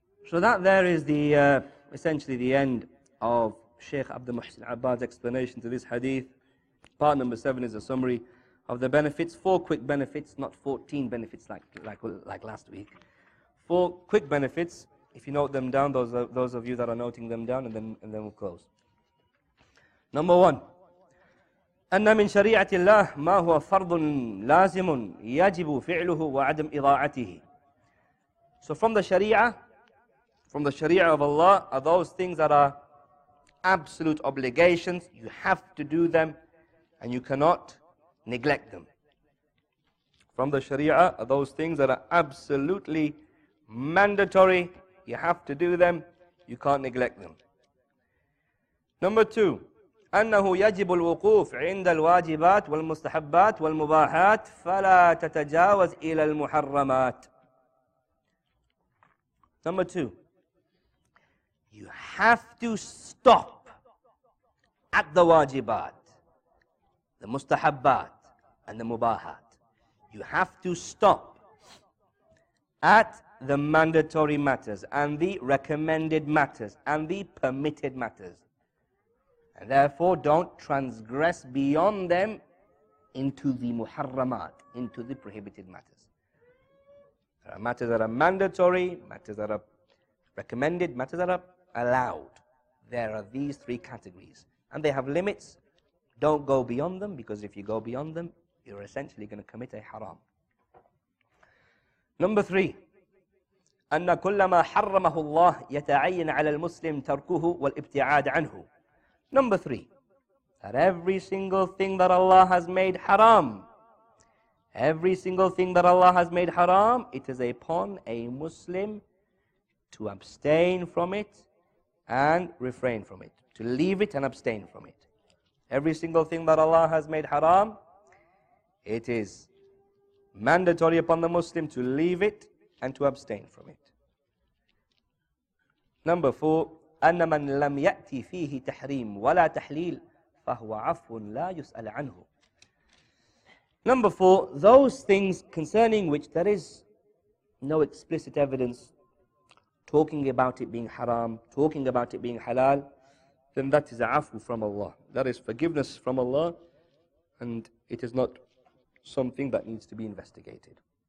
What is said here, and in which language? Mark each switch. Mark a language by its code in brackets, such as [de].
[en] So that there is essentially the end of Sheikh Abdul Muhsin Abbad's explanation to this hadith. Part number 7 is a summary of the benefits. 4 quick benefits, not 14 benefits like last week. 4 quick benefits. If you note them down, those of you that are noting them down, and then we'll close. Number 1. [ar] أن من شريعة الله ما هو فرض لازم يجب فعله وعدم إضاعته. [en] So from the Sharia, from the Sharia of Allah are those things that are absolute obligations. You have to do them and you cannot neglect them. From the Sharia are those things that are absolutely mandatory. You have to do them. You can't neglect them. Number two. [ar] أنه يجب الوقوف عند الواجبات والمستحبات والمباحات فلا تتجاوز إلى المحرمات. [en] Number two. You have to stop at the wajibat, the mustahabbat, and the mubahat. You have to stop at the mandatory matters and the recommended matters and the permitted matters. And therefore, don't transgress beyond them into the muharramat, into the prohibited matters. There are matters that are mandatory, matters that are recommended, matters that are allowed. There are these three categories. And they have limits. Don't go beyond them, because if you go beyond them, you're essentially going to commit a haram. Number three. [ar] أن كل ما حرمه الله يتعين على المسلم تركه والابتعاد عنه. [en] Number three, that every single thing that Allah has made haram, every single thing that Allah has made haram, it is upon a Muslim to abstain from it and refrain from it, to leave it and abstain from it. Every single thing that Allah has made haram, it is mandatory upon the Muslim to leave it and to abstain from it. Number four, [ar] أن من لم يأتي فيه تحريم ولا تحليل فهو عفو لا يسأل عنه. [en] Number four, those things concerning which there is no explicit evidence, talking about it being haram, talking about it being halal, then that is عفو from Allah. That is forgiveness from Allah, and it is not something that needs to be investigated.